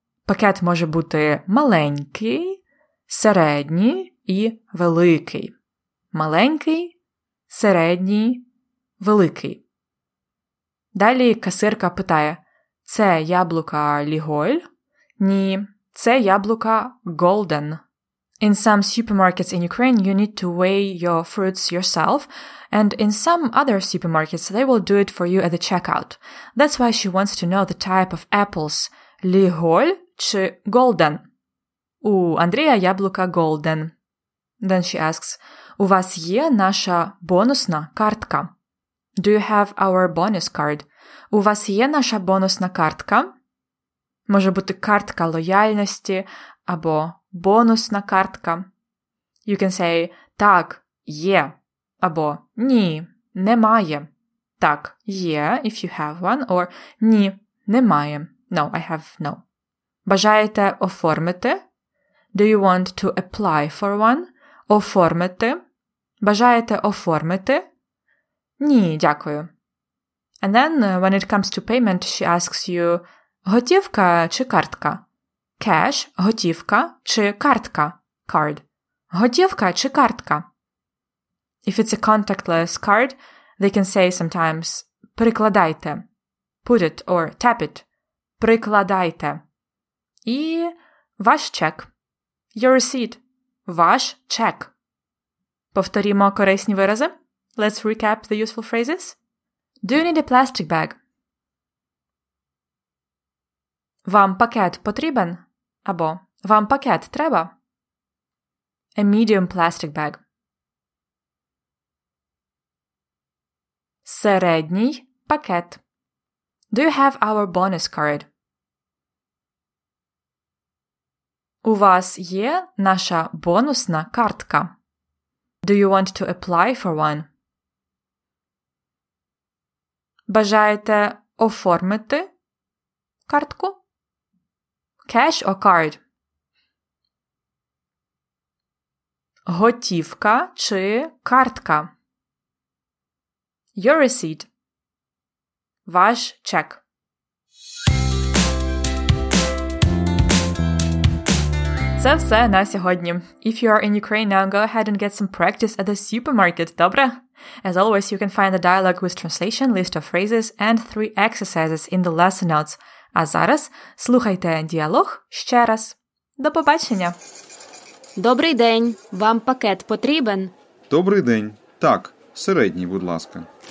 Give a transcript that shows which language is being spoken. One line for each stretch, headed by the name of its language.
Ukrainian: Пакет може бути маленький, середній і великий. Маленький, середній, великий. Далі касирка питає, це яблука Ліголь? Ні, це яблука Голден.
English: In some supermarkets in Ukraine, you need to weigh your fruits yourself, and in some other supermarkets, they will do it for you at the checkout. That's why she wants to know the type of apples,
Ukrainian: Ліголь чи Голден? У Андрія яблука Голден.
English: Then she asks,
Ukrainian: у вас є наша бонусна картка?
English: Do you have our bonus card?
Ukrainian: У вас є наша бонусна картка? Може бути картка лояльності або бонусна картка.
English: You can say,
Ukrainian: так, є. Або, ні, немає. Так, є,
English: if you have one. Or,
Ukrainian: ні, немає.
English: No, I have no.
Ukrainian: Бажаєте оформити?
English: Do you want to apply for one?
Ukrainian: Оформити? Бажаєте оформити? Ні, дякую.
English: And then, when it comes to payment, she asks you,
Ukrainian: готівка чи картка? Cash, готівка чи картка? Card. Готівка чи картка?
English: If it's a contactless card, they can say sometimes, прикладайте. Put it or tap it.
Ukrainian: Прикладайте. І ваш чек.
English: Your receipt.
Ukrainian: Ваш чек. Повторімо корисні вирази.
English: Let's recap the useful phrases. Do you need a plastic bag?
Ukrainian: Вам пакет потрібен? Або вам пакет треба?
English: A medium plastic bag.
Ukrainian: Середній пакет.
English: Do you have our bonus card?
Ukrainian: У вас є наша бонусна картка?
English: Do you want to apply for one?
Ukrainian: Бажаєте оформити картку?
English: Cash or card?
Ukrainian: Готівка чи картка?
English: Your receipt.
Ukrainian: Ваш чек. Це все на сьогодні.
English: If you are in Ukraine now, go ahead and get some practice at the supermarket, добре? As always, you can find the dialogue with translation, list of phrases and 3 exercises in the lesson notes.
Ukrainian: А зараз слухайте діалог ще раз. До побачення! Добрий день! Вам пакет потрібен? Добрий день! Так, середній, будь ласка.